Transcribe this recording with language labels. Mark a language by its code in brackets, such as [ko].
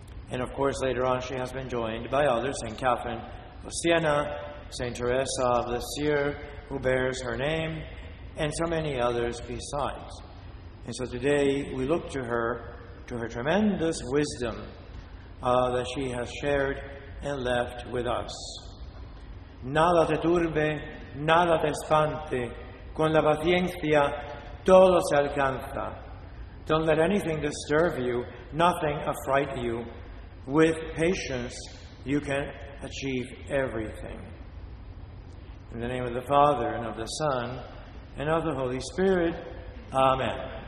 [en] And of course, later on, she has been joined by others, St. Catherine of Siena, St. Teresa of Lisieux, who bears her name, and so many others besides. And so today, we look to her tremendous wisdom that she has shared and left with us. [es] Nada te turbe, nada te espante, con la paciencia todo se alcanza. [en] Don't let anything disturb you, nothing affright you. With patience, you can achieve everything. In the name of the Father, and of the Son, and of the Holy Spirit, Amen.